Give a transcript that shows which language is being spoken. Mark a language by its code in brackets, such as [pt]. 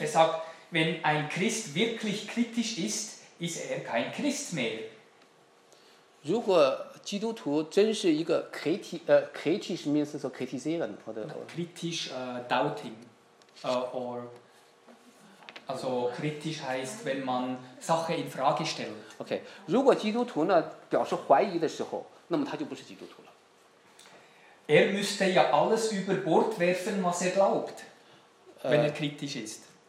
[de] Er sagt, wenn ein Christ wirklich kritisch ist, ist er kein Christ mehr. [zh] 如果基督徒真是一个 [en] kritisch means so [de] kritisieren, oder? [en] Kritisch doubting. [de] Also kritisch heißt, wenn man Sache in Frage stellt. Okay. [zh] 如果基督徒呢表示怀疑的时候，那么他就不是基督徒了。 [de] Er müsste ja alles über Bord werfen, was er glaubt, wenn er kritisch ist.